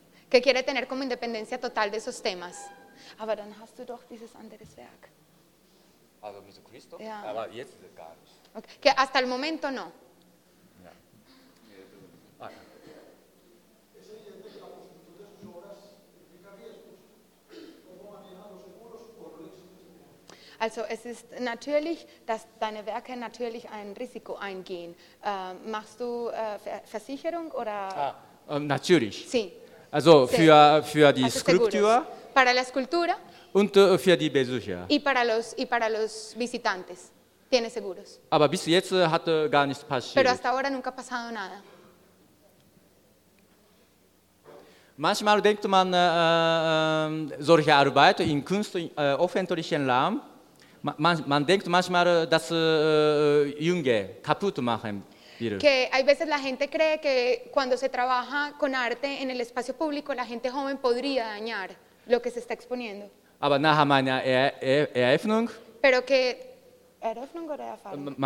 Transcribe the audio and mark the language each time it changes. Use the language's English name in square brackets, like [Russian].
[Spanish] Que quiere tener como independencia total de esos temas. [German] Aber dann hast du doch dieses andere Werk. Also mit Christo? Ja. Aber jetzt gar nicht. [Spanish] Okay. Que hasta el momento no. [German] Also es ist natürlich, dass deine Werke natürlich ein Risiko eingehen. Machst du Versicherung oder? Natürlich. [Spanish] Sí. [German] Also für die Skulptur. [Spanish] Para la escultura. [German] Und für die Besucher. [Spanish] Y para los visitantes. Tiene seguros. [German] Aber bis jetzt hat gar nichts passiert. [Spanish] Pero hasta ahora nunca ha pasado nada. [German] Manchmal denkt man solche Arbeit in Kunst öffentlichen Raum. Man denkt manchmal, dass Junge kaputt machen will. [Spanish] Que hay veces la gente cree que cuando se trabaja con arte en el espacio público, la gente joven podría dañar lo que se está exponiendo. [German] Aber nach meiner Eröffnung. [Spanish] Pero que [German] Eröffnung oder Erfahrung?